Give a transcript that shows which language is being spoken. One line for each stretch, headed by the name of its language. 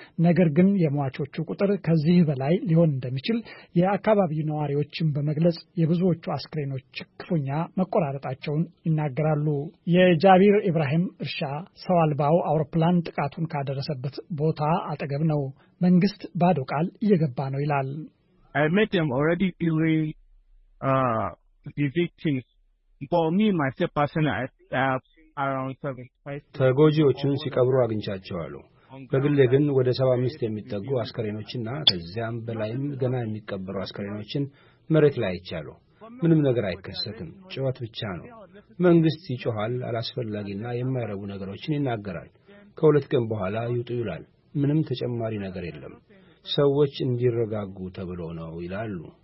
Amharic: ነገር ግን የሟቾቹ ቁጥር ከዚህ በላይ ሊሆን እንደሚችል የአካባቢው ነዋሪዎችም በመግለጽ የብዙዎቹ አስክሬኖች ክፉኛ መቆራረጣቸውን ይናገራሉ። የጃቢር ኢብራሂም እርሻ ሰው አልባው አውሮፕላን ጥቃቱን ካደረሰበት ቦታ አጠገብ ነው። መንግስት ባዶ ቃል እየገባ ነው ይላል።
English: I met them already three victims. For me, myself personally, I have around 75.
Amharic: ተጎጂዎቹን ሲቀብሩ አግኝቻቸዋለሁ። በግሌ ግን ወደ 75 የሚጠጉ አስከሬኖችና ከዚያም በላይም ገና የሚቀበሩ አስከሬኖችን መሬት ላይ አይቻለሁ። ምንም ነገር አይከሰትም፣ ጩኸት ብቻ ነው። መንግስት ይጮሃል፣ አላስፈላጊና የማይረቡ ነገሮችን ይናገራል። ከሁለት ቀን በኋላ ይውጡ ይላል። ምንም ተጨማሪ ነገር የለም። ሰዎች እንዲረጋጉ ተብሎ ነው ይላሉ።